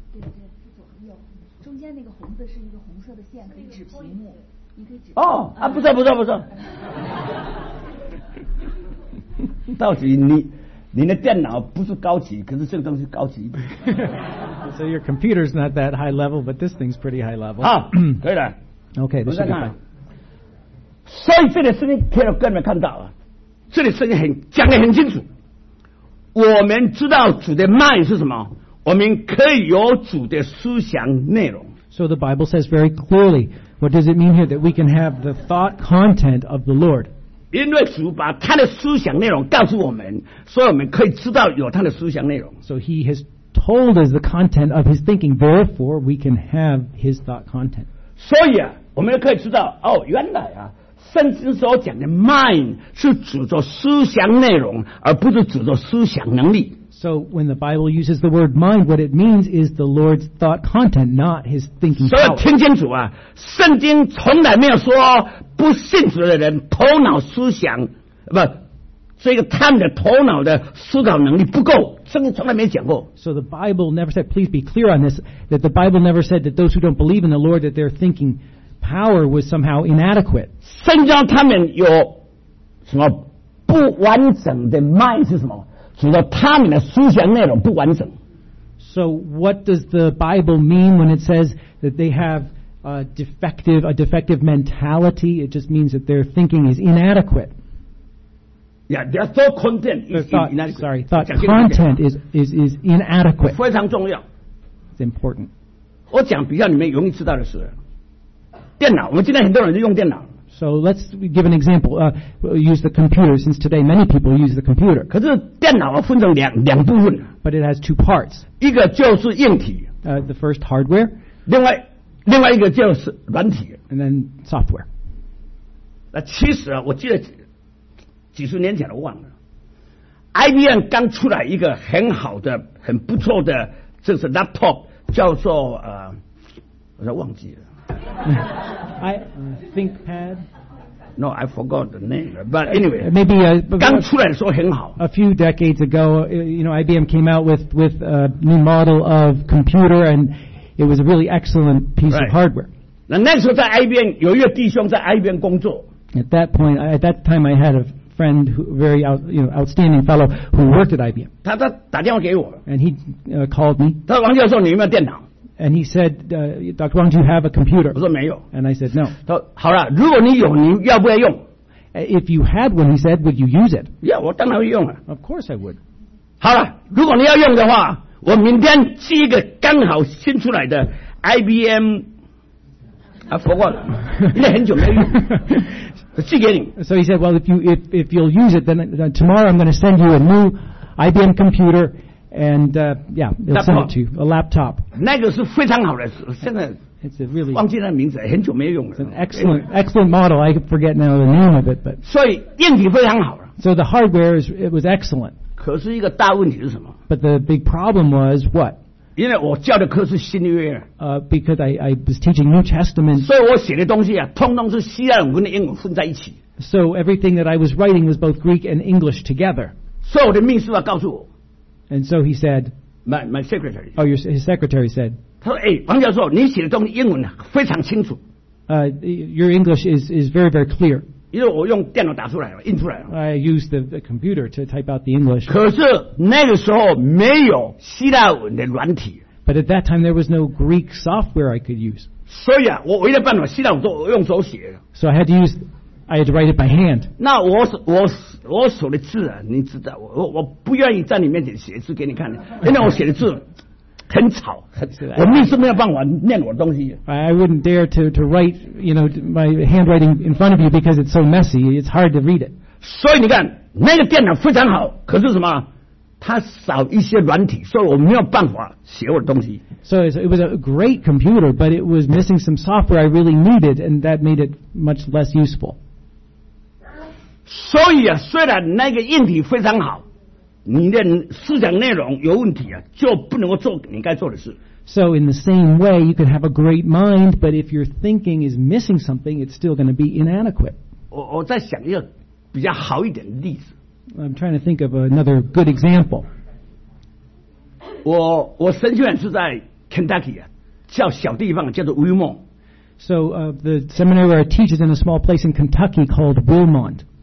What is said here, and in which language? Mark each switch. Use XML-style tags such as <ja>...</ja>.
<zh>对对，左右，中间那个红色是一个红色的线，可以指屏幕。哦啊，不错，到底你的电脑不是高级，可是这个东西高级。</zh> <en>So your computer is not that high level, but this thing's pretty high level.</en> <zh>好，可以的。</zh> <en>OK, this should be fine.</en> <zh>所以这里圣经可以给你们看到啊，这里圣经很讲得很清楚。我们知道主的 mind 是什么，我们可以有主的思想内容。</zh> <en>So the Bible says very clearly. What does it mean here that we can have the thought content of the Lord?</en> <zh>因为主把他的思想内容告诉我们，所以我们可以知道有他的思想内容。</zh> <en>So he has told us the content of his thinking, therefore we can have his thought content.</en> <zh>所以啊，我们可以知道哦，原来啊，圣经所讲的 mind 是指着思想内容，而不是指着思想能力。</zh> <en>So when the Bible uses the word mind, what it means is the Lord's thought content, not his thinking power.</en> <zh>所以听清楚啊，圣经从来没有说不信主的人头脑思想，不，这个他们的头脑的思考能力不够，圣经从来没讲过。</zh> <en>So the Bible never said, please be clear on this, that the Bible never said that those who don't believe in the Lord, that their thinking power was somehow inadequate.</en> <zh>圣经他们有什么不完整的 mind 是什么？指的他们的思想内容不完整。</zh> <en>So what does the Bible mean when it says that they have a defective mentality? It just means that their thinking is inadequate. Yeah, their thought content is inadequate. Sorry, thought content is inadequate.</en> <zh>非常重要。</zh> <en>It's important.</en> <zh>我讲比较你们容易知道的是，电脑。我们今天很多人用电脑。</zh> <en>So let's give an example. Use the computer, since today many people use the computer.</en> <zh>可是电脑分成两部分。</zh> <en>But it has two parts.</en> <zh>一个就是硬体。</zh> <en>The first hardware.</en> <zh>另外一个就是软体。</zh> <en>And then software.</en> <zh>那其实啊，我记得几十年前我忘了 ，IBM 刚出来一个很好的、很不错的，就是 laptop， 叫做我都忘记了。</zh> <en>I think pad. No, I forgot the name. But anyway, maybe</en> <zh>刚出来的时候很好。</zh> <en>A few decades ago, you know, IBM came out with a new model of computer, and it was a really excellent piece of hardware.</en> <zh>那时候在 IBM 有一个弟兄在 IBM 工作。</zh> <en>At that time, I had a friend, outstanding fellow, who worked at IBM.</en> <zh>他打电话给我。</zh> <en>And he called me.</en> <zh>他说王教授，你有没有电脑？</zh> <en>And he said, Dr. Wang, do you have a computer?</en> <zh>我说没有。</zh> <en>And I said, no.</en> <zh>他说好了，如果你有，你要不要用</zh> <en>？If you had one, he said, would you use it?</en> <zh>Yeah, 我当然会用啊。</zh> <en>Of course I would.</en> <zh>好了，如果你要用的话，我明天寄一个刚好新出来的 IBM， 啊，不过那很久没用。寄给你。</zh> <en>So he said, well, if you'll use it, then tomorrow I'm going to send you a new IBM computer. And he'll send it to you, a laptop.</en> <zh>那个是非常好的，现在</zh> <en>it's a really,</en> <zh>忘记那名字，很久没用了。</zh> <en>It's an excellent model. I forget now the name of it, but</en> <zh>所以硬体非常好。</zh> <en>So the hardware it was excellent.</en> <zh>可是一个大问题是什么？</zh> <en>But the big problem was what?</en> <zh>因为我教的课是新约。</zh> <en>Because I was teaching New Testament.</en> <zh>所以我写的东西啊，通通是希腊文跟英文混在一起。</zh> <en>So everything that I was writing was both Greek and English together.</en> <zh>所以我的秘书啊告诉我。</zh> <en>And so he said, my secretary. Oh, his secretary said.</en> <zh>他说，哎，王教授，你写的东西英文非常清楚。</zh> <en>Your English is very very clear.</en> <zh>因为我用电脑打出来了，印出来了。</zh> <en>I used the computer to type out the English.</en> <zh>可是那个时候没有希腊文的软体。</zh> <en>But at that time there was no Greek software I could use.</en> <zh>所以啊，我唯一的办法希腊文都用手写。</zh> <en>So I had to use. I had to write it by hand.</en> <zh>那我手的字啊，你知道，我不愿意在你面前写字给你看，因为我写的字很吵，我秘书没有办法念我的东西。</zh> <en>I wouldn't dare to write, you know, my handwriting in front of you because it's so messy. It's hard to read it.</en> <zh>所以你看，那个电脑非常好，可是什么？它少一些软体，所以我没有办法写我的东西。</zh> <en>So it was a great computer, but it was missing some software I really needed, and that made it much less useful.</en> <zh>所以啊，虽然那个硬体非常好，你的思想内容有问题啊，就不能够做你该做的事。</zh> <en>So in the same way, you could have a great mind, but if your thinking is missing something, it's still going to be inadequate.</en> <zh>我在想一个比较好一点的例子。</zh> <en>I'm trying to think of another good example.</en> <zh>我神学院是在 Kentucky 啊，叫小地方叫做 Wilmont.</zh> <en>So the seminary where I teach is in a small place in Kentucky called Wilmont.</en>